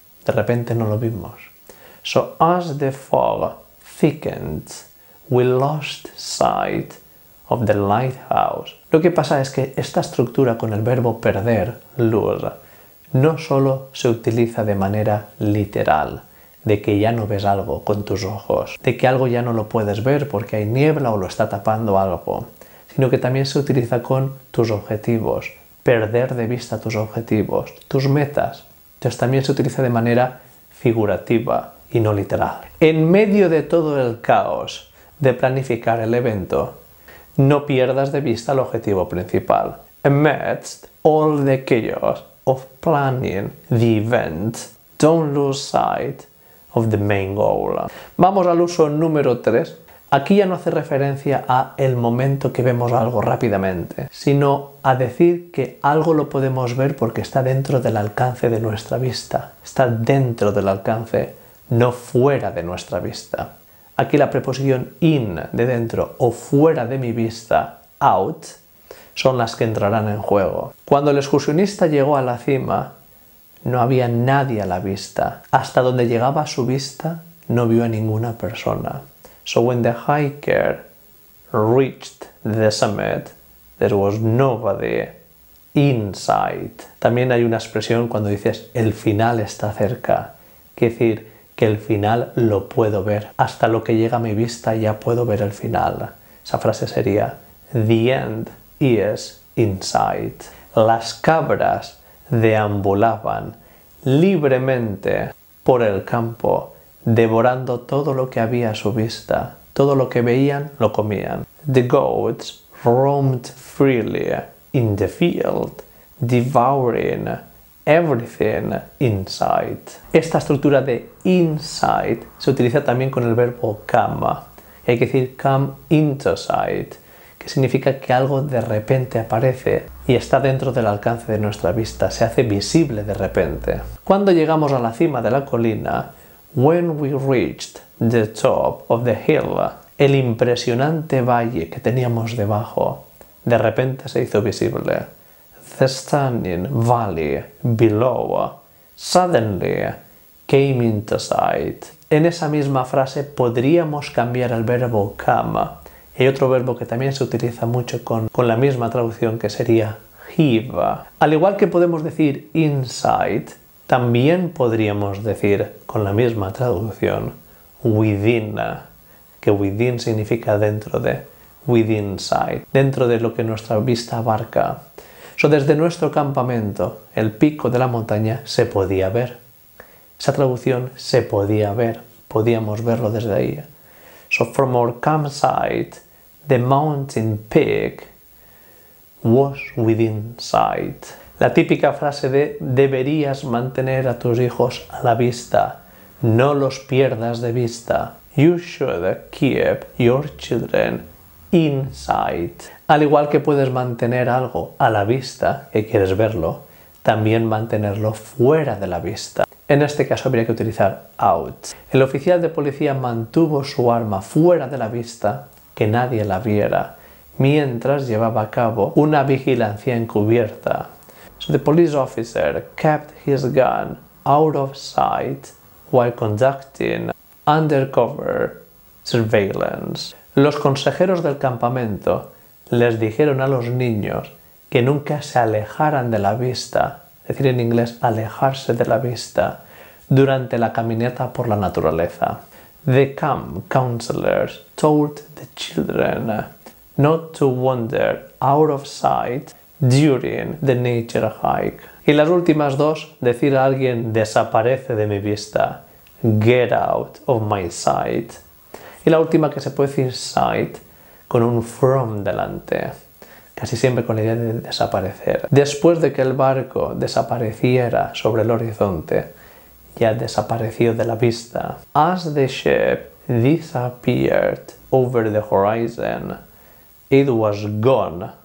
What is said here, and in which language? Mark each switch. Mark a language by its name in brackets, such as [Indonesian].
[Spanish] De repente no lo vimos. [English] So as the fog thickened, we lost sight of the lighthouse. [Spanish] Lo que pasa es que esta estructura con el verbo perder, lose, no solo se utiliza de manera literal, de que ya no ves algo con tus ojos, de que algo ya no lo puedes ver porque hay niebla o lo está tapando algo, sino que también se utiliza con tus objetivos, perder de vista tus objetivos, tus metas. Entonces también se utiliza de manera figurativa y no literal. En medio de todo el caos de planificar el evento, no pierdas de vista el objetivo principal. [English] Amidst all the chaos of planning the event, don't lose sight of the main goal. [Spanish] Vamos al uso número 3. Aquí ya no hace referencia a el momento que vemos algo rápidamente, sino a decir que algo lo podemos ver porque está dentro del alcance de nuestra vista. Está dentro del alcance, no fuera de nuestra vista. Aquí la preposición in, de dentro, o fuera de mi vista, out, son las que entrarán en juego. Cuando el excursionista llegó a la cima, no había nadie a la vista. Hasta donde llegaba su vista, no vio a ninguna persona. [English] So when the hiker reached the summit, there was nobody in sight. [Spanish] También hay una expresión cuando dices el final está cerca, quiere decir que el final lo puedo ver. Hasta lo que llega a mi vista ya puedo ver el final. Esa frase sería [English] the end is in sight. [Spanish] Las cabras deambulaban libremente por el campo, devorando todo lo que había a su vista. Todo lo que veían, lo comían. [English] The goats roamed freely in the field, devouring everything in sight. [Spanish] Esta estructura de in sight se utiliza también con el verbo come. Hay que decir come into sight, que significa que algo de repente aparece y está dentro del alcance de nuestra vista, se hace visible de repente. Cuando llegamos a la cima de la colina, [English] when we reached the top of the hill, [Spanish] el impresionante valle que teníamos debajo, de repente se hizo visible. [English] The stunning valley below suddenly came into sight. [Spanish] En esa misma frase podríamos cambiar el verbo come. Hay otro verbo que también se utiliza mucho con la misma traducción que sería heave. Al igual que podemos decir insight, también podríamos decir, con la misma traducción, within, que within significa dentro de, within sight, dentro de lo que nuestra vista abarca. So, desde nuestro campamento, el pico de la montaña se podía ver. Esa traducción, se podía ver, podíamos verlo desde ahí. [English] So, from our campsite, the mountain peak was within sight. [Spanish] La típica frase de deberías mantener a tus hijos a la vista, no los pierdas de vista. [English] You should keep your children insight. [Spanish] Al igual que puedes mantener algo a la vista, que quieres verlo, también mantenerlo fuera de la vista. En este caso habría que utilizar out. El oficial de policía mantuvo su arma fuera de la vista, que nadie la viera, mientras llevaba a cabo una vigilancia encubierta. [English] So the police officer kept his gun out of sight while conducting undercover surveillance. [Spanish] Los consejeros del campamento les dijeron a los niños que nunca se alejaran de la vista, es decir, en inglés, alejarse de la vista, durante la caminata por la naturaleza. [English] The camp counselors told the children not to wander out of sight during the nature hike. [Spanish] Y las últimas dos, decir a alguien, desaparece de mi vista, [English] get out of my sight. [Spanish] Y la última que se puede decir, sight, con un from delante, casi siempre con la idea de desaparecer. Después de que el barco desapareciera sobre el horizonte, ya desapareció de la vista. [English] As the ship disappeared over the horizon, it was gone.